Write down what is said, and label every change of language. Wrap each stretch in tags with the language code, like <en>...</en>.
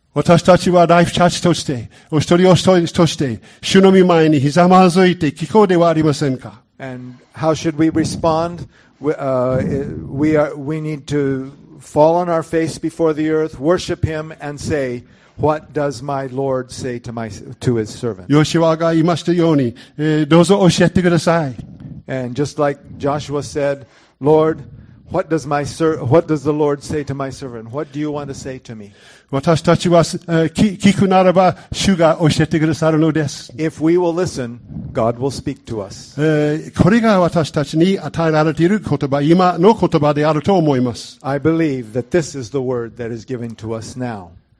<ja>私たちはライフチャーチとして、お一人お一人として、主の御前にひざまずいて聞こうではありませんか。</ja> <en>And how should we respond? We need to fall on our face before the earth, worship him and say, What does my Lord say to his servant?</en> <ja>ヨシュアが言いましたように、どうぞ教えてください。</ja> <en>And just like Joshua said, Lord, what does the Lord say to my servant? What do you want to say to me?</en> <ja>私たちは、聞くならば、主が教えてくださるのです。</ja> <en>If we will listen, God will speak to us.</en> <ja>これが私たちに与えられている言葉、今の言葉であると思います。</ja> <en>I believe that this is the word that is given to us now.</en>